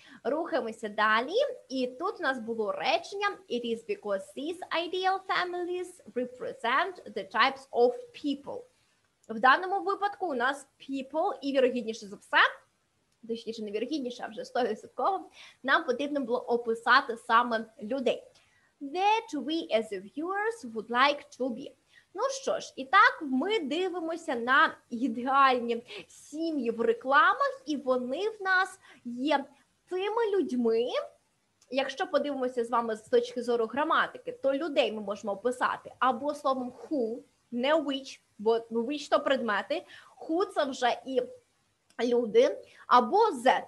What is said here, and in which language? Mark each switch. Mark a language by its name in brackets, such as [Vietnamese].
[Ukrainian] Рухаємося далі. І тут у нас було речення [English] it is because these ideal families represent the types of people. [Ukrainian] В даному випадку у нас people і вірогідніше за все, точніше, невірогідніше, а вже 100%, нам потрібно було описати саме людей. [English] That we as viewers would like to be. [Ukrainian] Ну що ж, і так ми дивимося на ідеальні сім'ї в рекламах, і вони в нас є тими людьми, якщо подивимося з вами з точки зору граматики, то людей ми можемо описати або словом who, не which, бо which – то предмети, who – це вже і люди, або Z.